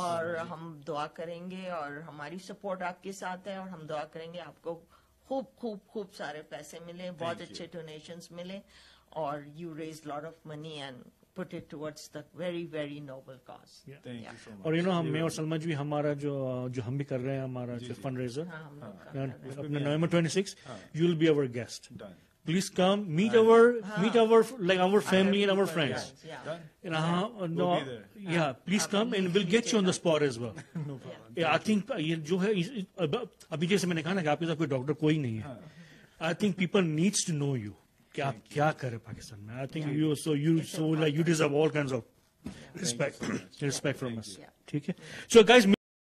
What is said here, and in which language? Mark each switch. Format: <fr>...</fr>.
<hi>और हम दुआ करेंगे और हमारी सपोर्ट आपके साथ है. और हम दुआ करेंगे आपको खूब खूब खूब सारे पैसे मिले, बहुत अच्छे डोनेशंस मिले, और</hi> <en>You raise lot of money and put it towards the very very noble cause.</en> <hi>और</hi> <en>you know,</en> <hi>हम मैं और सलमा जी भी, हमारा जो हम भी कर रहे हैं, हमारा fund raiser November 26,</hi> <en>You will be our guest. Please come, meet our family and our friends. Yeah, please come and we'll get you on the spot as well. I think</en> <hi>जो है अभी जैसे मैंने कहा ना कि आपके साथ कोई डॉक्टर कोई नहीं है.</hi> <en>I think people needs to know you</en> <hi>कि आप क्या कर रहे पाकिस्तान में.</hi> <en>I think you deserve all kinds of respect from us.</en> <hi>ठीक है.</hi> <en>So guys.</en>